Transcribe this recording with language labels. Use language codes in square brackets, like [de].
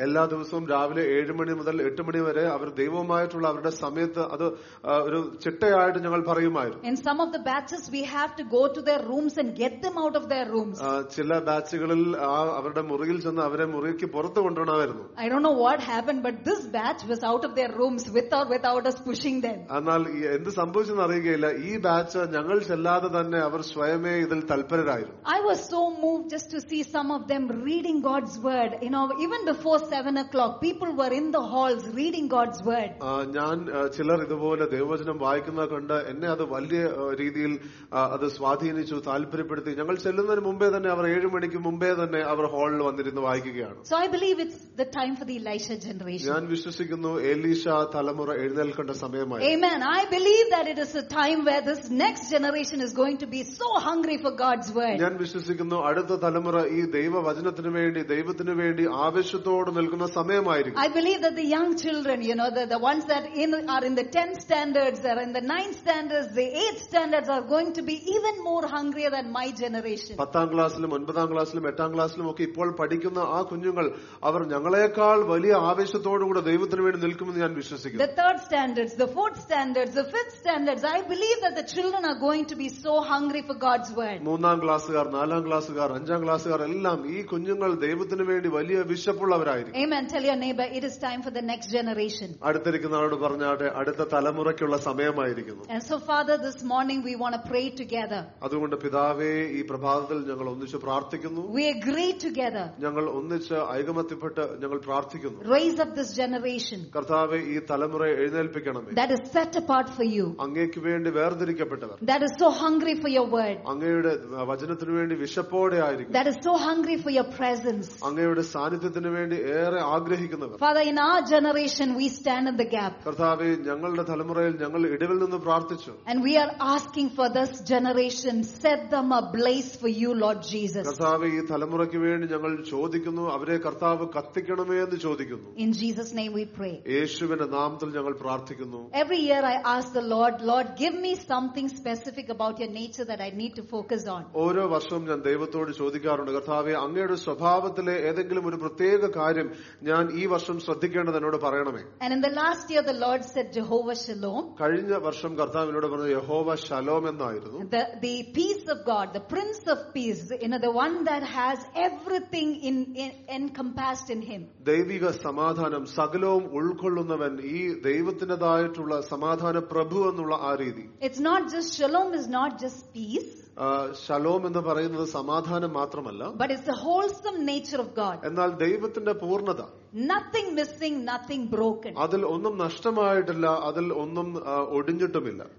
[ml] എല്ലാ ദിവസവും രാവിലെ 7 മണി മുതൽ 8 മണി വരെ അവർ ദൈവവുമായിട്ടുള്ള അവരുടെ സമയത്ത് അത് ഒരു ചിട്ടയായിട്ട് ഞങ്ങൾ പറയുമായിരുന്നു. [en] In some of the batches we have to go to their rooms and get them out of their rooms. [ml] ചില ബാച്ചുകളിൽ അവരുടെ മുറിയിൽ ചെന്ന് അവരെ മുറിക്ക് പുറത്തു കൊണ്ടുവരണമായിരുന്നു. [en] I don't know what happened but this batch was out of their rooms with or without us pushing them. [ml] എന്നാൽ എന്ത് സംഭവിച്ചെന്ന് അറിയുകയില്ല, ഈ ബാച്ച് ഞങ്ങൾ ചെല്ലാതെ തന്നെ അവർ സ്വയമേ ഇതിൽ തൽപരരായിരുന്നു. [en] I was so moved just to see some of them reading God's word. You know, even before 7 o'clock people were in the halls reading God's word. [ml] ഞാൻ ചിലർ ഇതുപോലെ ദൈവവചനം വായിക്കുന്നത് കണ്ട് എന്നെ അത് വലിയ രീതിയിൽ അത് സ്വാധീനിച്ചു, താല്പര്യപ്പെടുത്തി. ഞങ്ങൾ ചെല്ലുന്നതിന് മുമ്പേ തന്നെ അവർ 7 മണിക്ക് മുമ്പേ തന്നെ അവർ ഹാളിൽ വന്നിരുന്ന് വായിക്കുകയാണ്. [en] So I believe it's the time for the Elisha generation. [ml] ഞാൻ വിശ്വസിക്കുന്നു എലീഷ തലമുറ എഴുന്നേൽക്കേണ്ട സമയമായി. [en] Amen. I believe that it is a time where this next generation is going to be so hungry for God's word. [ml] ഞാൻ വിശ്വസിക്കുന്നു അടുത്ത തലമുറ ഈ ദൈവവചനത്തിനു വേണ്ടി ദൈവത്തിനു വേണ്ടി ആവേശത്തോടെ നിൽക്കുന്ന സമയമായിരിക്കും. [en] I believe that the young children, you know, the ones that are in the 10th standards, are in the 9th standards, the 8th standards are going to be even more hungrier than my generation. [ml] 10th ക്ലാസ്സിലും 9th ക്ലാസ്സിലും 8th ക്ലാസ്സിലും ഒക്കെ ഇപ്പോൾ പഠിക്കുന്ന ആ കുഞ്ഞുങ്ങൾ അവർ ഞങ്ങളെക്കാൾ വലിയ ആവേശത്തോടു കൂടെ ദൈവത്തിനു വേണ്ടി നിൽക്കുമെന്ന് ഞാൻ വിശ്വസിക്കുന്നു. [en] The 3rd standards, the 4th standards, the 5th standards, I believe that the children are going to be so hungry for God's word. [ml] 3rd ക്ലാസ്സുകാർ, 4th ക്ലാസ്സുകാർ, 5th ക്ലാസ്സുകാർ എല്ലാം ഈ കുഞ്ഞുങ്ങൾ ദൈവത്തിനു വേണ്ടി വലിയ വിശപ്പുള്ളവരായിരിക്കും. [en] Amen. Tell your neighbor, it is time for the next generation. [ml] അടുത്തിരിക്കുന്നവരോട് പറഞ്ഞാട്ടെ, അടുത്ത തലമുറയ്ക്കുള്ള സമയമായിരിക്കുന്നു. [en] And so Father, this morning we want to pray together. [ml] അതുകൊണ്ട് പിതാവേ, ഈ പ്രഭാതത്തിൽ ഞങ്ങൾ ഒന്നിച്ച് പ്രാർത്ഥിക്കുന്നു. [en] We agree together. [ml] ഞങ്ങൾ ഒന്നിച്ച് ഐകമത്യപ്പെട്ട് ഞങ്ങൾ പ്രാർത്ഥിക്കുന്നു. [en] Raise up this generation. [ml] കർത്താവെ, ഈ തലമുറയെ എഴുന്നേൽപ്പിക്കണമേ. [en] That is set apart for you. [ml] അങ്ങേക്ക് വേണ്ടി വേർതിരിക്കപ്പെട്ടവർ. [en] That is so hungry for your word. [ml] അങ്ങയുടെ വചനത്തിനു വേണ്ടി വിശപ്പോടെ ആയിരിക്കും. [en] That is so hungry for your presence. [ml] അങ്ങയുടെ സാന്നിധ്യത്തിനു വേണ്ടി ഏറെ ആഗ്രഹിക്കുന്നവർ. [en] Father, in our generation we stand in the gap. [ml] കർത്താവെ, ഞങ്ങളുടെ തലമുറയിൽ ഞങ്ങൾ ഇടവിൽ നിന്ന് പ്രാർത്ഥിച്ചു. [en] And we are asking for this generation, set them ablaze for you, Lord Jesus. [ml] കർത്താവെ, ഈ തലമുറയ്ക്ക് വേണ്ടി ഞങ്ങൾ ചോദിക്കുന്നു, അവരെ കർത്താവ് കത്തിക്കണമേ എന്ന് ചോദിക്കുന്നു. [en] In Jesus' name we pray. [ml] യേശുവിന്റെ നാമത്തിൽ ഞങ്ങൾ പ്രാർത്ഥിക്കുന്നു. [en] Every year I ask the Lord, Lord, give me something specific about your nature that I need to focus on. [ml] ഓരോ വർഷവും ഞാൻ ദൈവത്തോട് ചോദിക്കാറുണ്ട്, കർത്താവെ, അങ്ങയുടെ സ്വഭാവത്തിലെ ഏതെങ്കിലും ഒരു പ്രത്യേക കാര്യം ഞാൻ ഈ വർഷം ശ്രദ്ധിക്കേണ്ടത് എന്നോട് പറയണമേ. [en] And in the last year the Lord said Jehovah Shalom. [ml] കഴിഞ്ഞ വർഷം കർത്താവ് എന്നോട് പറഞ്ഞു യഹോവാ ശലോം എന്നായിരുന്നു. [en] The peace of God, the Prince of Peace, you know, the one that has everything in encompassed in him. [ml] ദൈവിക സമാധാനം സകലവും ഉൾക്കൊള്ളുന്നവൻ, ഈ ദൈവത്തിന്റേതായിട്ടുള്ള സമാധാന പ്രഭു എന്നുള്ള ആ രീതി. [en] It's not just shalom, is not just peace. [ml] Shalom എന്ന് പറയുന്നത് സമാധാനം മാത്രമല്ല. [en] But it's the wholesome nature of God. [ml] എന്നാൽ ദൈവത്തിന്റെ പൂർണ്ണത. [en] Nothing missing, nothing broken. [ml] അതിൽ ഒന്നും നഷ്ടമായിട്ടില്ല, അതിൽ ഒന്നും ഒടിഞ്ഞിട്ടുമില്ല.